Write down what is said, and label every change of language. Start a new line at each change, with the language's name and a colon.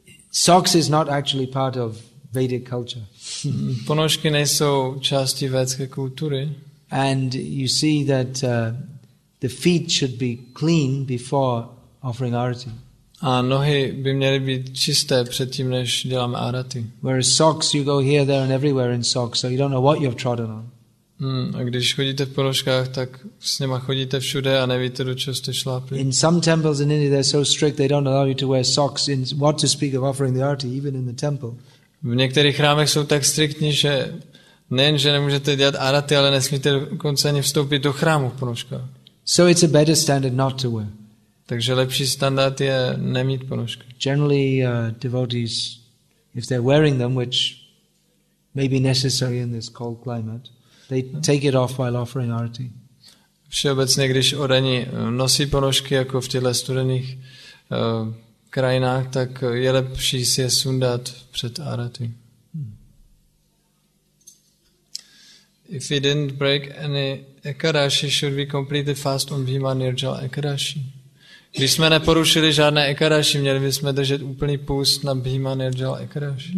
English: Socks is not actually part of Vedic culture.
Czech: Ponožky nejsou části védské kultury.
English: And you see that the feet should be clean before offering arati.
Czech: A nohy by měly být čisté předtím, než děláme arati.
English: Whereas socks, you go here, there, and everywhere in socks, so you don't know what you've trodden on.
Czech: A když chodíte v ponožkách, tak s něma chodíte všude a nevíte, do čeho jste šlápli.
English: In some temples in India, they're so strict, they don't allow you to wear socks. In what to speak of offering the arati, even in the temple.
Czech: V některých chrámech jsou tak striktní, že nejenže nemůžete dělat arati, ale nesmíte dokonce ani vstoupit do chrámu v ponožkách.
English: So it's a better standard not to wear.
Czech: Takže lepší standard je nemít ponožky.
English: Generally, devotees, if they're wearing them, which may be necessary in this cold climate, they take it off while offering arati.
Czech: Všeobecně, když oraní nosí ponožky jako v těchto studených krajinách, tak je lepší si je sundat před arati.
English: If we didn't break any ekadashi, should we complete the fast on Bhima Nirjala Ekadashi?
Czech: Když jsme neporušili žádné ekadashi, měli bychom držet úplný půst na Bhima Nirjala Ekadashi.